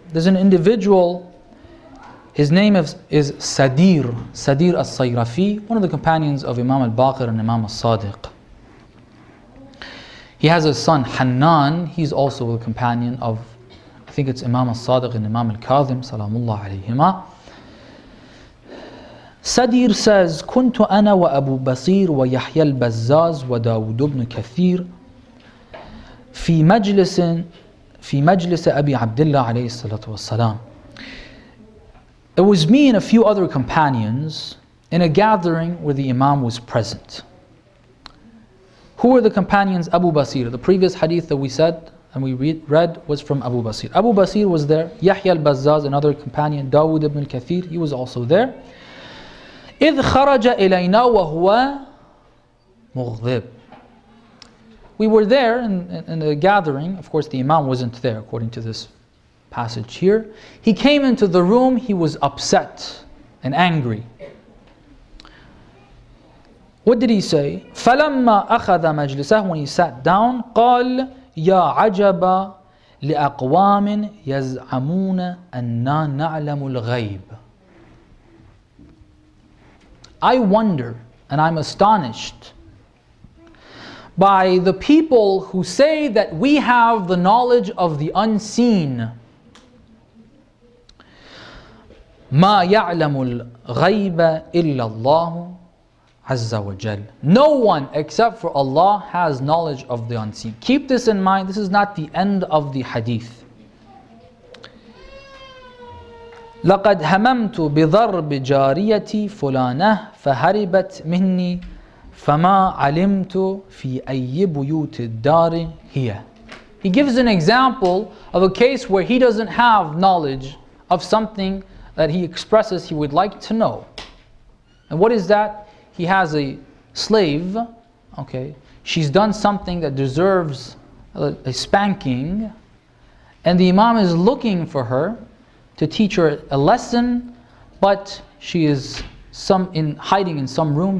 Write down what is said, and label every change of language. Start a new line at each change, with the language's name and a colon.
English: There's an individual, his name is Sadir, Sadir al-Sayrafi, one of the companions of Imam al-Baqir and Imam al-Sadiq. He has a son, Hanan. He's also a companion of, I think it's Imam al-Sadiq and Imam al-Kadhim, salamullah alayhima. Sadir says,
Arabic: كُنْتُ أَنَا وَأَبُو بَصِيرُ وَيَحْيَى الْبَزَّازُ وَدَاوُدُ بْنُ كَثِيرُ فِي مَجْلِسِ أَبِي عَبْدِ اللَّهِ عَلَيْهِ الصَّلَاةُ وَالسَّلَامُ.
English: It was me and a few other companions in a gathering where the Imam was present. Who were the companions? Abu Basir. The previous hadith that we said and we read was from Abu Basir. Abu Basir was there. Yahya al-Bazzaz, another companion, Dawood ibn al-Kathir, he was also there.
Arabic: إِذْ خَرَجَ إِلَيْنَا وَهُوَ مُغْضِبٌ.
English: We were there in the gathering. Of course, the Imam wasn't there, according to this passage here. He came into the room, he was upset and angry. What did he say?
Arabic: فَلَمَّا أَخَذَ مَجْلِسَهُ.
English: When he sat down,
Arabic: قَالْ يَا عَجَبَ لأقوام يزعمون أننا نعلم الغيب.
English: I wonder and I'm astonished by the people who say that we have the knowledge of the unseen.
Arabic: ما يعلم الغيب إلا الله عز وجل.
English: No one except for Allah has knowledge of the unseen. Keep this in mind, this is not the end of the hadith.
Arabic: لقد هممت بضرب جاريتي فلانة فهربت مني فما علمت في أي بيوت الدار هي.
English: He gives an example of a case where he doesn't have knowledge of something that he expresses he would like to know. And what is that? He has a slave, okay, she's done something that deserves a spanking, and the Imam is looking for her to teach her a lesson, but she is hiding in some room.